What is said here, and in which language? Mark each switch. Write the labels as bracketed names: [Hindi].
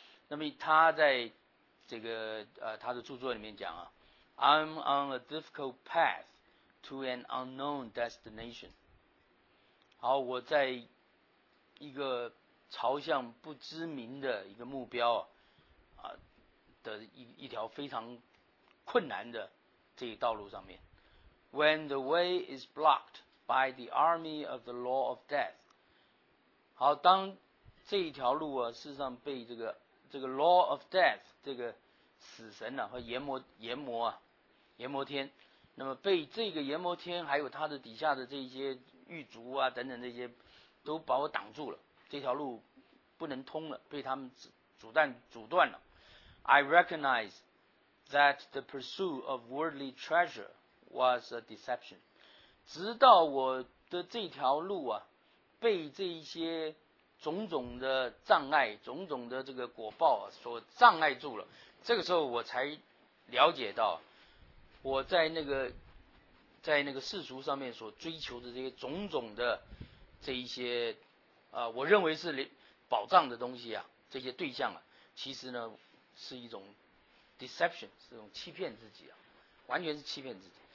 [Chinese] 那么他在这个他的著作里面讲啊 [English] ，I'm on a difficult path to an unknown destination。 [Chinese] 好，我在一个朝向不知名的一个目标啊的一条非常困难的这个道路上面。 [English] When the way is blocked by the army of the law of death。 [Chinese] 好，当这一条路啊，事实上被这个 [English] law of death [Chinese] 这个死神啊和阎魔天，那么被这个阎魔天还有他的底下的这些狱卒啊等等这些都把我挡住了，这条路不能通了，被他们阻断了。 [English] I recognize that the pursuit of worldly treasure was a deception。 [Chinese] 直到我的这条路啊，被这一些种种的障碍、种种的这个果报、啊、所障碍住了，这个时候我才了解到，我在那个世俗上面所追求的这些种种的这一些我认为是保障的东西啊，这些对象啊，其实呢是一种 deception， 是一种欺骗自己啊，完全是欺骗自己。